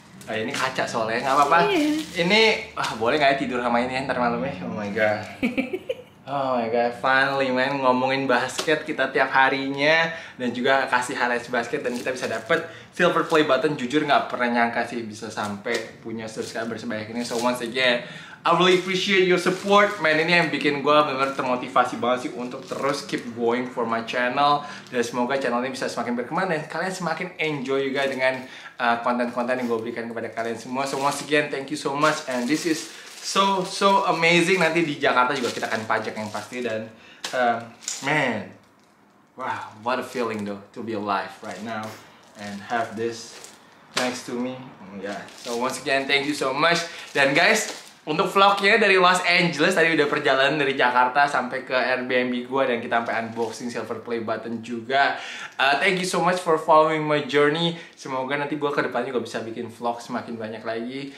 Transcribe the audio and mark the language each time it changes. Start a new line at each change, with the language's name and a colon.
Indonesian: Ini kaca soalnya, gak apa-apa. Ini, boleh gak ya tidur sama ini ya ntar malamnya?
English: Oh my god. Oh my god, finally man,
Indonesian: ngomongin basket kita tiap harinya dan juga kasih highlights basket dan kita bisa dapet silver play button. Jujur gak pernah nyangka sih bisa sampai punya subscriber sebanyak ini.
English: So once again, I really appreciate your support.
Indonesian: Man, ini yang bikin gue benar-benar termotivasi banget sih untuk terus
English: keep going for my channel.
Indonesian: Dan semoga channel ini bisa semakin berkembang dan kalian semakin enjoy juga dengan konten-konten yang gue berikan kepada kalian semua.
English: So once again, thank you so much and this is so amazing.
Indonesian: Nanti di Jakarta juga kita akan pajak yang pasti.
English: Dan man, wow, what a feeling though to be alive right now and have this next to me. Oh my god. So once again, thank you so much.
Indonesian: Dan guys, untuk vlognya dari Los Angeles, tadi udah perjalanan dari Jakarta sampai ke Airbnb gue dan kita sampai unboxing silver play button juga.
English: Thank you so much for following my journey.
Indonesian: Semoga nanti gue ke depannya juga bisa bikin vlog semakin banyak lagi.